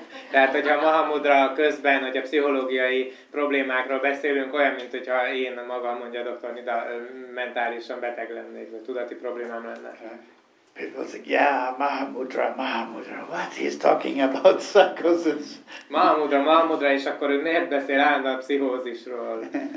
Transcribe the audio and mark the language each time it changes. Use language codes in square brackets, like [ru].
[hu] Tehát, hogyha a Mahamudra közben, hogy a pszichológiai problémákról beszélünk, olyan, mint hogyha én magam, mondja a doktor Nida, mentálisan beteg lennék, vagy tudati problémám lenne. [en] People say, yeah, Mahamudra, what he's talking about, psychosis. [hu] Mahamudra, és akkor ő miért beszél állandóan a pszichózisról?